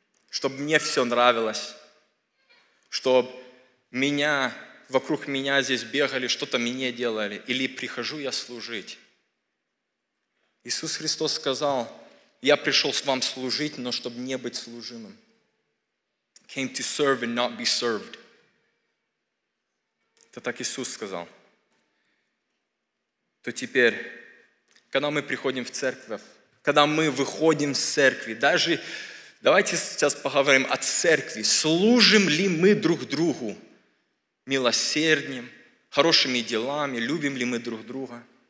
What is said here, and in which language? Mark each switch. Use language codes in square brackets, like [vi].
[ru] Чтобы мне все нравилось? Чтобы меня, вокруг меня здесь бегали, что-то мне делали? Или прихожу я служить? Иисус Христос сказал, я пришел с вам служить, но чтобы не быть служимым. [en] Came to serve and not be served. [ru] Это так Иисус сказал. То теперь, когда мы приходим в церковь, когда мы выходим с церкви, даже давайте сейчас поговорим о церкви. Служим ли мы друг другу милосердием, хорошими делами, любим ли мы друг друга?